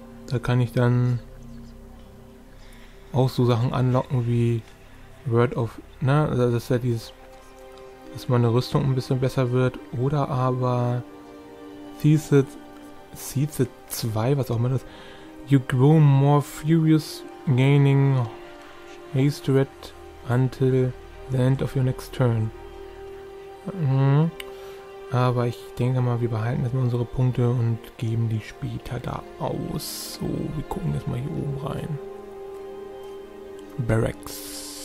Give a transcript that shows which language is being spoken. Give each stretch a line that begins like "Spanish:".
German: Da kann ich dann auch so Sachen anlocken wie Word of, ne, also das ist ja dieses, dass meine Rüstung ein bisschen besser wird, oder aber Thesis 2, was auch immer das.
English: You grow more furious, gaining hatred until the end of your next turn.
German: Aber ich denke mal, wir behalten jetzt mal unsere Punkte und geben die später da aus. So, wir gucken jetzt mal hier oben rein. Barracks.